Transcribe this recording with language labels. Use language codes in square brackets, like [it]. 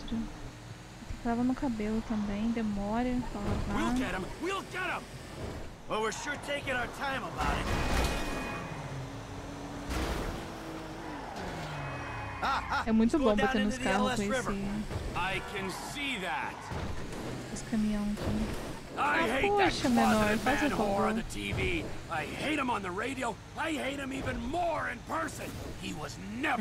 [pt] Tem que lavar meu cabelo também, demora pra lavar. [en] We'll get him! We'll get him! Well, we're sure taking our time about it. [pt] É muito bom bater nos carros com esse. [en] I can see that. [pt] Os caminhões aqui. Poxa, menor, faz o favor. [en] I hate him on the radio. I hate him even more in person. He was never.